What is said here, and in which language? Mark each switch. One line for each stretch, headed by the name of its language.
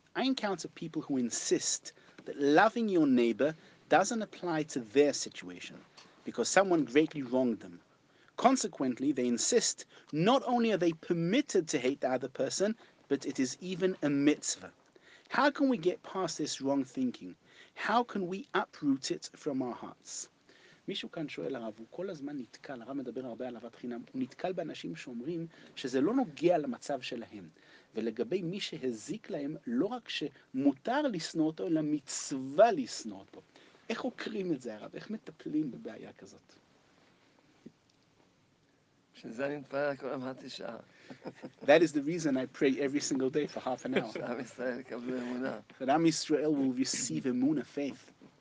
English: I encounter people who insist that loving your neighbor doesn't apply to their situation because someone greatly wronged them. Consequently, they insist not only are they permitted to hate the other person, but it is even a mitzvah. How can we get past this wrong thinking? How can we uproot it from our hearts?
Hebrew: מישהו כאן שואל הרב, הוא כל הזמן נתקל, הרב מדבר הרבה על אהבת חינם, הוא נתקל באנשים שאומרים שזה לא נוגע למצב שלהם. ולגבי מי שהזיק להם, לא רק שמותר לשנוא אותו, אלא מצווה לשנוא אותו. איך עוקרים את זה הרב? איך מטפלים בבעיה כזאת? שזה אני מתפלל כל המעט השעה.
English: That is the reason I pray every single day for half an hour.
Hebrew: שעם ישראל יקבלו אמונה.
English: That עם ישראל will receive אמונה, faith.